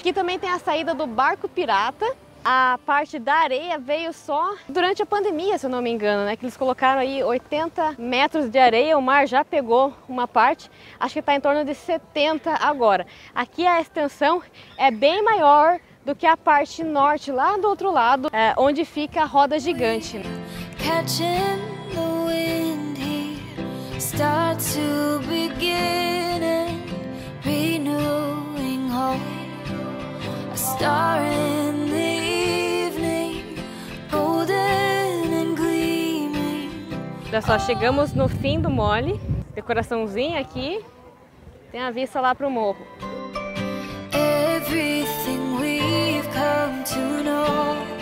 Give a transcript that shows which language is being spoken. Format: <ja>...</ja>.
<pt>Aqui também tem a saída do Barco Pirata. A parte da areia veio só durante a pandemia, se eu não me engano, né? Que eles colocaram aí 80 metros de areia, o mar já pegou uma parte. Acho que tá em torno de 70 agora. Aqui a extensão é bem maior do que a parte norte, lá do outro lado, onde fica a Roda Gigante.</pt> <en>Catching the wind here, start to begin and renewing hope. star in the evening, golden and gleaming.</en> <pt>Olha só, chegamos no fim do mole. Decoraçãozinha aqui. Tem a vista lá pro morro.</pt> <en>Everything we've come to know.</en>